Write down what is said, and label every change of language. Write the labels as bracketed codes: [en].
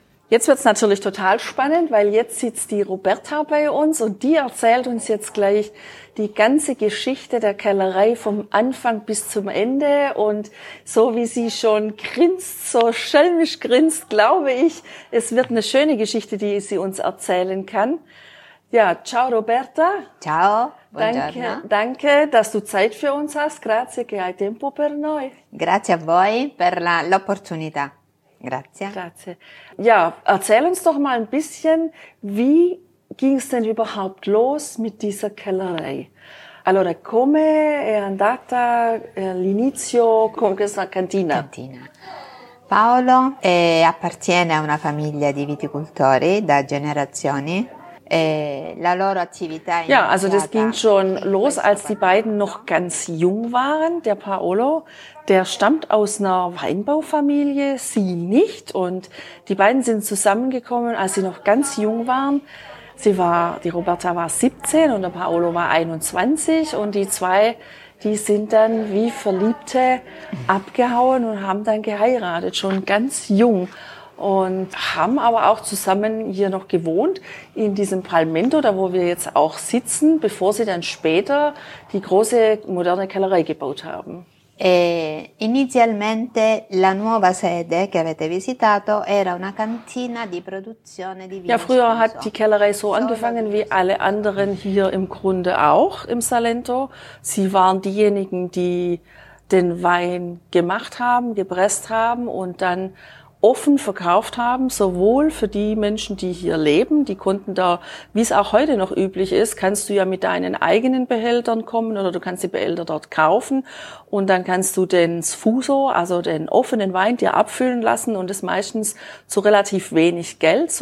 [de] Jetzt wird's natürlich total spannend, weil jetzt sitzt die Roberta bei uns und die erzählt uns jetzt gleich die ganze Geschichte der Kellerei vom Anfang bis zum Ende. Und so wie sie schon grinst, so schelmisch grinst, glaube ich, es wird eine schöne Geschichte, die sie uns erzählen kann. Ja, ciao Roberta. [it] Ciao. [de] Danke, danke, dass du Zeit für uns hast. [it] Grazie, che hai tempo per noi. Grazie a voi per l'opportunità. Grazie. Grazie. [de] Ja, erzähl uns doch mal ein bisschen, wie ging es denn überhaupt los mit dieser Kellerei? [it] Allora, come è andata l'inizio con questa cantina? Cantina. Paolo appartiene a una famiglia di viticoltori da generazioni. [de] Ja, also das ging schon los, als die beiden noch ganz jung waren. Der Paolo, der stammt aus einer Weinbaufamilie, sie nicht. Und die beiden sind zusammengekommen, als sie noch ganz jung waren. Die Roberta war 17 und der Paolo war 21. Und die zwei, die sind dann wie Verliebte abgehauen und haben dann geheiratet, schon ganz jung. Und haben aber auch zusammen hier noch gewohnt, in diesem Palmento, da wo wir jetzt auch sitzen, bevor sie dann später die große moderne Kellerei gebaut haben. [it] E inizialmente la nuova sede che avete visitato era una cantina di produzione di vino. [de] Ja, früher hat die Kellerei so angefangen wie alle anderen hier im Grunde auch im Salento. Sie waren diejenigen, die den Wein gemacht haben, gepresst haben und dann offen verkauft haben, sowohl für die Menschen, die hier leben, die konnten da, wie es auch heute noch üblich ist, kannst du ja mit deinen eigenen Behältern kommen oder du kannst die Behälter dort kaufen und dann kannst du den Sfuso, also den offenen Wein, dir abfüllen lassen und das meistens zu relativ wenig Geld.